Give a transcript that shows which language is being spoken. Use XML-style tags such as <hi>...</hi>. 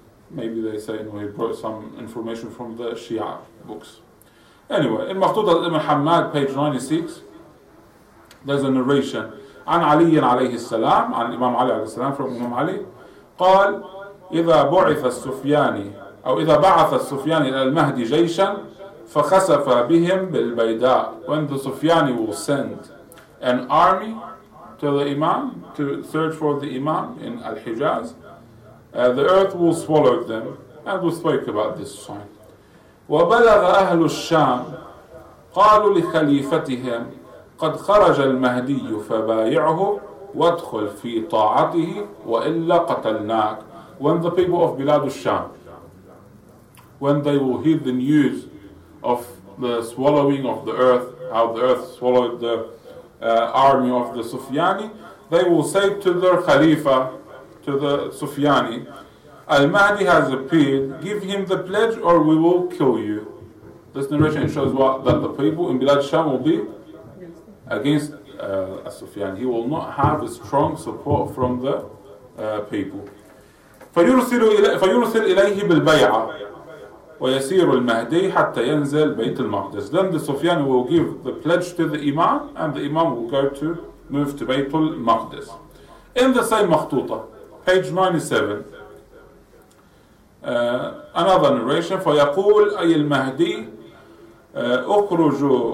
<en>Maybe they say he brought some information from the Shia books. Anyway, in Maqtuda ibn Hammad, page 96, there's a narration.</en> <ar>An Ali alayhi salam, an Imam Ali alayhi salam, from Imam Ali, قال إذا بعث السفياني أو إذا بعث السفياني إلى المهدي جيشا فخسف بهم بالبيداء.</ar> <en>When the Sufyani will send an army to the Imam, to search for the Imam in Al-Hijaz, the earth will swallow them. And we spoke about this sign.</en> <ar>وبلغ أهل الشام قالوا لخليفتهم قد خرج المهدي فبايعه وادخل في طاعته وإلا قتلناك.</ar> <en>When the people of Bilad al-Sham, when they will hear the news of the swallowing of the earth, how the earth swallowed the army of the Sufyani, they will say to their Khalifa, to the Sufyani, Al-Mahdi has appeared, give him the pledge or we will kill you. This narration shows that the people in Bilad al-Sham will be against Sufyani. He will not have a strong support from the people.</en> <ar>فَيُرْسِلُ إِلَيْهِ بِالْبَيْعَةِ ويسير المهدي حتى ينزل بيت المقدس.</ar> <en>Then the Sufyani will give the pledge to the Imam, and the Imam will go to move to بيت المقدس. In the same مخطوطه, page 97, another narration.</en> <ar>فيقول أي المهدي أخرج</ar>